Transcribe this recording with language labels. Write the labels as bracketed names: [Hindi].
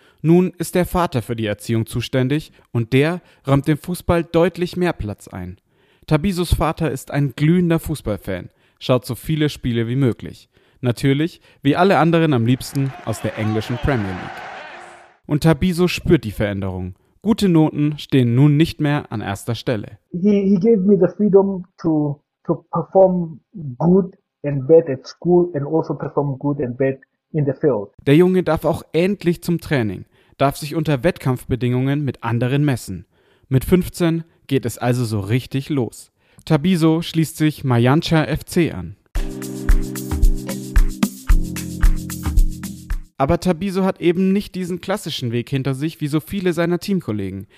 [German] Nun ist der Vater für die Erziehung zuständig und der räumt dem Fußball deutlich mehr Platz ein. Tabisos Vater ist ein glühender Fußballfan, schaut so viele Spiele wie möglich. Natürlich, wie alle anderen, am liebsten aus der englischen Premier League. Und Tabiso spürt die Veränderung. Gute Noten stehen nun nicht mehr an erster Stelle. [English] He gave me the freedom to perform good and bad at school and also perform good and bad in the field. [German] Der Junge darf auch endlich zum Training, darf sich unter Wettkampfbedingungen mit anderen messen. Mit 15 geht es also so richtig los. Tabiso schließt sich Mayanja FC an. Aber Tabiso hat eben nicht diesen klassischen Weg hinter sich wie so viele seiner Teamkollegen.